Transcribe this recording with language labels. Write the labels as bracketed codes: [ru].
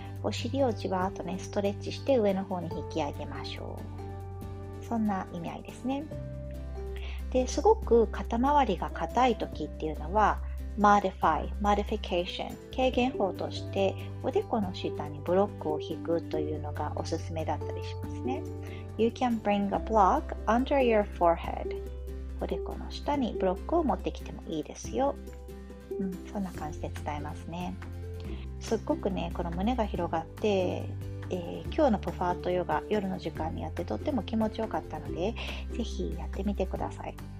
[ja] お尻をじわーっとね、ストレッチして上の方に引き上げましょう。そんな意味合いですね。で、すごく肩周りが硬い時っていうのは modification 軽減法として、おでこの下にブロックを引くというのがおすすめだったりしますね。 [en] You can bring a block under your forehead. [ja] おでこの下にブロックを持ってきてもいいですよ。そんな感じで伝えますね。すっごくね、この胸が広がって今日のプファートヨガ、夜の時間にやってとっても気持ちよかったので、ぜひやってみてください。